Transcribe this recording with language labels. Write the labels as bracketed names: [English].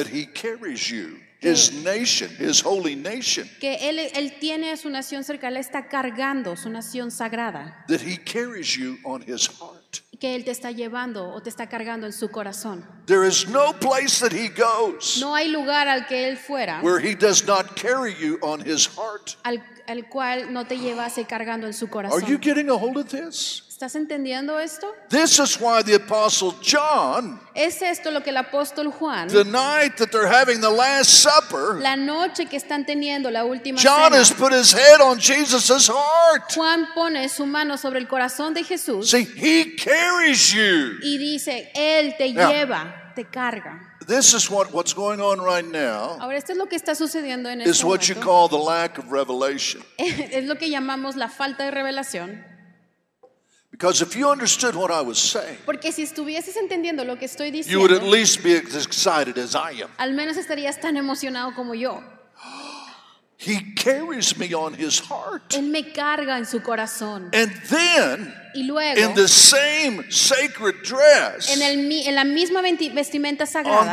[English] That he carries you, his nation, his holy nation. [Spanish] Que él tiene a su nación cerca, él está cargando su nación sagrada. [English] That he carries you on his heart. [Spanish] Que él te está llevando o te está cargando en su corazón. [English] There is no place that he goes. [Spanish] No hay lugar al que él fuera. [English] Where he does not carry you on his heart. [Spanish] El cual no te llevase cargando en su corazón. [English] Are you getting a hold of this? [Spanish] ¿Estás entendiendo esto? [English] This is why the apostle John. [Spanish] ¿Es esto lo que el apóstol Juan? [English] The night that they're having the last supper. [Spanish] La noche que están teniendo la última cena. [English] John has put his head on Jesus's heart. [Spanish] Juan pone su mano sobre el corazón de Jesús. [English] See, he carries you. [Spanish] Y dice, él te lleva, te carga. [English] This is what's going on right now. [Spanish] Ahora, esto es lo que está sucediendo en este [English] is [Spanish] momento. [English] What you call the lack of revelation. [Spanish] Es lo que llamamos la falta de revelación. [English] Because if you understood what I was saying, [Spanish] porque si estuvieses entendiendo lo que estoy diciendo, [English] you would at least be as excited as I am. [Spanish] Al menos estarías tan emocionado como yo. [English] He carries me on his heart. [Spanish] Él me carga en su corazón. [English] And then, [Spanish] y luego, [English] in the same sacred dress, [Spanish] en la misma vestimenta sagrada,